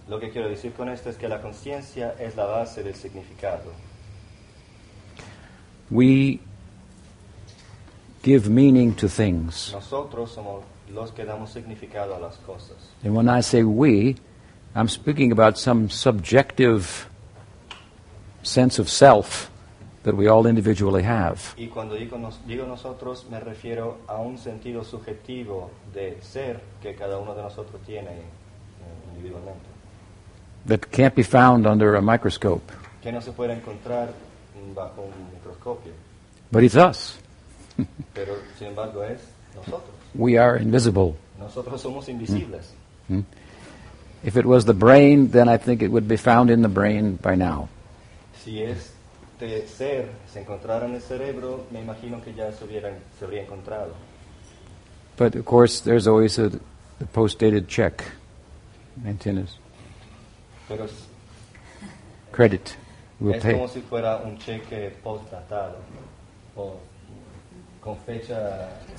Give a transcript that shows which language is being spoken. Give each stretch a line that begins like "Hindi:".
Spanish: Lo que quiero decir con esto es que la conciencia es la base del significado.
English: We give meaning to things.
Spanish: Nosotros somos los que damos significado a las cosas.
English: And when I say we, I'm speaking about some subjective sense of self that we all individually have.
Spanish: Y cuando digo nosotros, me refiero a un sentido subjetivo de ser que cada uno de nosotros tiene individualmente.
English: That can't be found under a microscope.
Spanish: Que no se puede encontrar bajo un microscopio.
English: But it's us.
Spanish: Pero, sin embargo, es nosotros.
English: We are invisible.
Spanish: Nosotros somos invisibles.
English: If it was the brain, then I think it would be found in the brain by now.
Spanish: Si es de ser se encontrara en el cerebro, me imagino que ya se habría encontrado.
English: But of course there's always a post-dated check. Maintenance.
Spanish: Pero
English: credit. We'll pay.
Spanish: Es como si fuera un cheque post-datado o con fecha.